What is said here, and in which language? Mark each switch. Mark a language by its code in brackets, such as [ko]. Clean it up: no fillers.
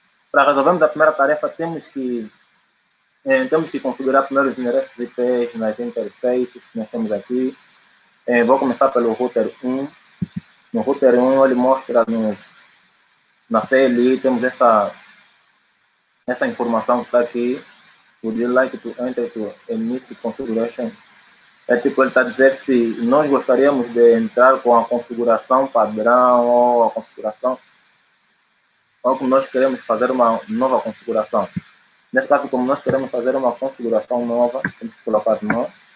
[pt] Para resolvermos a primeira tarefa, temos que configurar primeiro os endereços IP nas interfaces que nós temos aqui. Vou começar pelo router 1. No router 1, ele mostra na CLI, temos essa informação que está aqui. [en] Would you like to enter to init configuration? [pt] É tipo, ele está dizendo se nós gostaríamos de entrar com a configuração padrão ou a configuração, ou nós queremos fazer uma nova configuração. Nesse caso, como nós queremos fazer uma configuração nova, temos que colocar de novo.